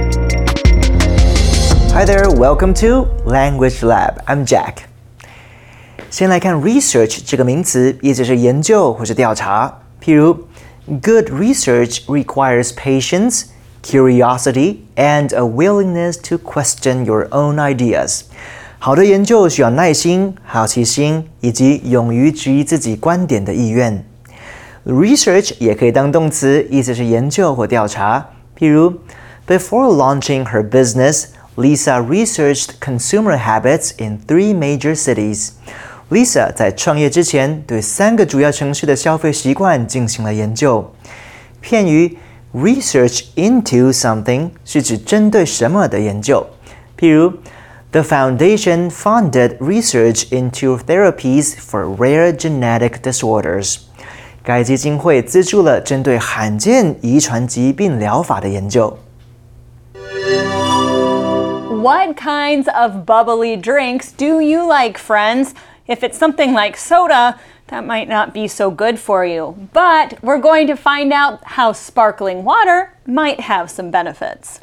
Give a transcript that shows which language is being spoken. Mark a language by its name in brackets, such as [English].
[English] Hi there, welcome to Language Lab. I'm Jack. [Chinese] 先来看 research 这个名词，意思是研究或是调查。 [English] 譬如 good research requires patience, curiosity, and a willingness to question your own ideas. [Chinese] 好的研究需要耐心、好奇心以及勇于质疑自己观点的意愿。 Research 也可以当动词，意思是研究或调查。 [English] 譬如 before launching her business,Lisa researched consumer habits in 3 major cities. [Chinese] Lisa 在创业之前对三个主要城市的消费习惯进行了研究。片语 [English] research into something [Chinese] 是指针对什么的研究。 [English] 譬如 The foundation funded research into therapies for rare genetic disorders. [Chinese] 该基金会资助了针对罕见遗传疾病疗法的研究。 [English] What kinds of bubbly drinks do you like, friends? If it's something like soda, that might not be so good for you. But we're going to find out how sparkling water might have some benefits.